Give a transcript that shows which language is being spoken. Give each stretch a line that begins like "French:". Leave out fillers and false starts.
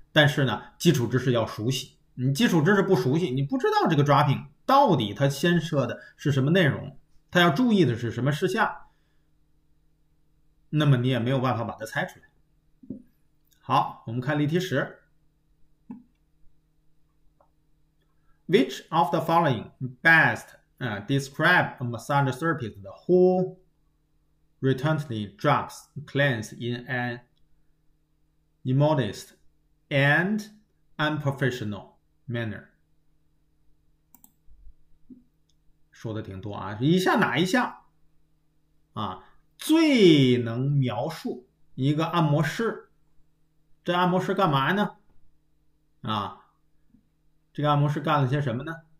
Chinese: 但是呢，基础知识要熟悉，你基础知识不熟悉，你不知道这个 Dropping 到底它牵涉的是什么内容，它要注意的是什么事项。那么你也没有办法把它猜出来。好，我们看例题十。
English: Which of the following best describe a massage therapist who routinely drugs clients in an immodest and unprofessional manner？
Chinese: 说的挺多啊，以下哪一项最能描述一个按摩师？这按摩师干嘛呢？这个按摩师干了些什么呢？